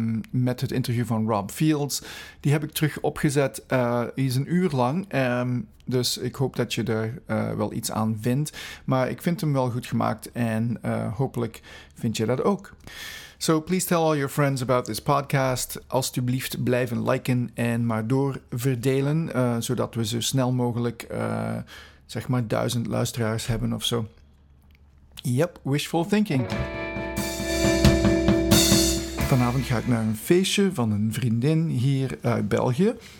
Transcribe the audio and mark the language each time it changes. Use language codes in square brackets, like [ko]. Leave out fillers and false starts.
[nl] met het interview van Rob Fields. Die heb ik terug opgezet. Die is een uur lang. Dus ik hoop dat je er wel iets aan vindt. Maar ik vind hem wel goed gemaakt. En hopelijk vind je dat ook. [en] So please tell all your friends about this podcast. [nl] Alsjeblieft blijven liken en maar doorverdelen. Zodat we zo snel mogelijk 1000 luisteraars hebben of zo. [en] Yep, wishful thinking. [nl] Vanavond ga ik naar een feestje van een vriendin hier uit België.